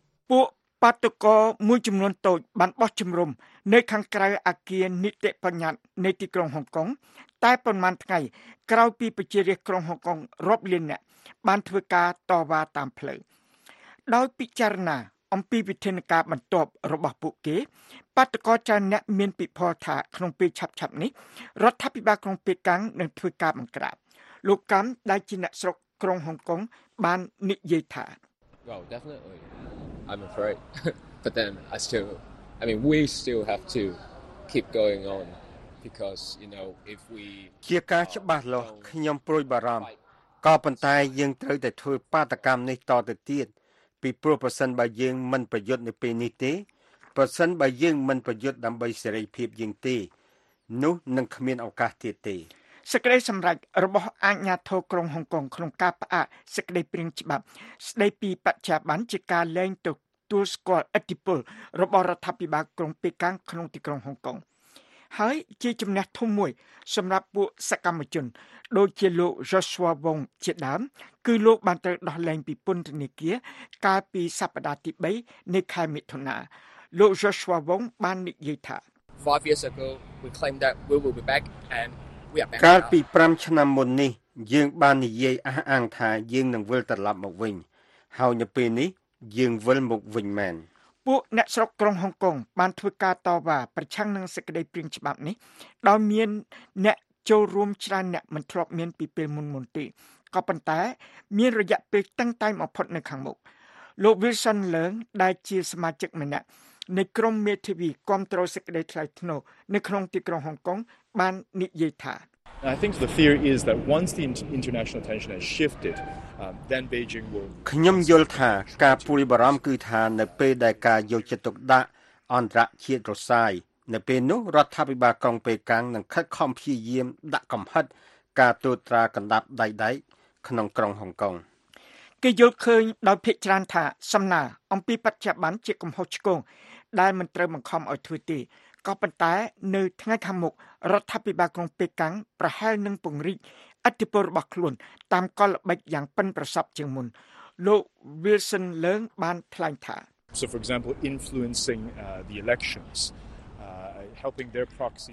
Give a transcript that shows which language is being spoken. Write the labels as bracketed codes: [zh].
[km] ពួកបាតុករមួយចំនួនតូចបានបោះជំរំនៅខាងក្រៅអគារនីតិបញ្ញត្តិនៃទីក្រុងហុងកុងតែប្រមាណថ្ងៃក្រោយពីប្រជារាស្ត្រក្រុងហុងកុងរាប់លានអ្នកបានធ្វើការតវ៉ាតាមផ្លូវដោយពិចារណាអំពីវិធានការបន្ទាប់របស់ពួកគេបាតុករចារអ្នកមានពិភពថាក្នុងពេលឆាប់ៗនេះរដ្ឋាភិបាលក្រុងប៉េកាំងនឹងធ្វើការបង្ក្រាបលោកកាន់ដែលជាអ្នកស្រុកក្រុងហុងកុងបាននិយាយថា [en] Well definitely I'm afraid but then we still have to keep going on because you know if we [km] ជាការច្បាស់លាស់ខ្ញុំព្រួយបារម្ភក៏ប៉ុន្តែយើងត្រូវតែធ្វើបាតកម្មនេះតទៅទៀតពីព្រោះប្រសិនបើយើងមិនប្រយុទ្ធនៅពេលនេះទេប្រសិនបើយើងមិនប្រយុទ្ធដើម្បីសេរីភាពយើងទេនោះនឹងគ្មានឱកាសទៀតទេ សេចក្តីសម្រេចរបស់អាជ្ញាធរក្រុងហុងកុងក្នុងការផ្អាកសេចក្តីព្រាងច្បាប់ស្តីពីបច្ចាប័នជាការលែងទទួលស្គាល់អធិបុលរបស់រដ្ឋាភិបាលក្រុងប៉េកាំងក្នុងទីក្រុងហុងកុងហើយជាជំនះធំមួយសម្រាប់ពួកសកម្មជនដូចជាលោក Joshua Wong ជាដើមគឺលោកបានត្រូវដោះលែងពីពន្ធនាគារកាលពីសប្តាហ៍ទី3នៃខែមិថុនាលោក Joshua Wong បាននិយាយថា [en] 5 years ago we claimed that we will be back and we are back [km] កាលពី5ឆ្នាំមុននេះយើងបាននិយាយអះអាងថាយើងនឹងវិលត្រឡប់មកវិញហើយនៅពេលនេះយើងវិលមកវិញមែន ពួកអ្នកស្រុកក្រុងហុងកុងបានធ្វើការតវ៉ាប្រឆាំងនឹងសេចក្តីព្រាងច្បាប់នេះដោយមានអ្នកចូលរួមច្រើនអ្នកមិនធ្លាប់មានពីពេលមុនទេក៏ប៉ុន្តែមានរយៈពេលតឹងតែងបំផុតនៅខាងមុខលោក Wilson Leung ដែលជាសមាជិកម្នាក់នៃក្រុមមេធាវីគ្រប់គ្រងសេចក្តីថ្លៃថ្នូរនៅក្នុងទីក្រុងហុងកុងបាននិយាយថា [en] I think the theory is that once the international attention has shifted then Beijing will [km] ខ្ញុំយល់ថាការព្រួយបារម្ភគឺថានៅពេលដែលការយកចិត្តទុកដាក់អន្តរជាតិរសាយនៅពេលនោះរដ្ឋាភិបាលក្រុងប៉េកាំងនឹងខិតខំព្យាយាមដាក់កំហិតការទូតត្រាកណ្ដាប់ដៃដៃក្នុងក្រុងហុងកុង គេយល់ឃើញដោយភាគច្រើនថាសំណើអំពីបច្ចុប្បន្នជាកំហុសឆ្គងដែលមិនត្រូវបង្ខំឲ្យធ្វើទេក៏ប៉ុន្តែនៅថ្ងៃខាងមុខរដ្ឋាភិបាលក្រុងប៉េកាំងប្រហែលនឹងពង្រីកអធិបតេយ្យរបស់ខ្លួនតាមកលល្បិចយ៉ាងប៉ិនប្រសប់ជាងមុនលោក Wilson Leung បានថ្លែងថា [en] So for example influencing the elections helping their proxy